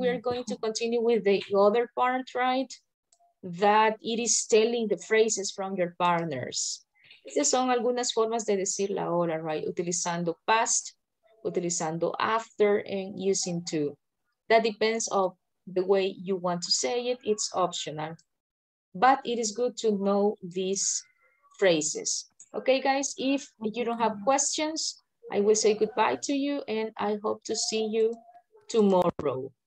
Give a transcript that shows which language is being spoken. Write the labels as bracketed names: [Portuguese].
[English] we're going to continue with the other part, right? That it is telling the phrases from your partners. [Spanish] Estas son algunas formas de decir la hora, right? [English] Utilizando past, utilizando after, and using to. That depends on the way you want to say it. It's optional. But it is good to know these phrases. Okay, guys, if you don't have questions, I will say goodbye to you, and I hope to see you tomorrow.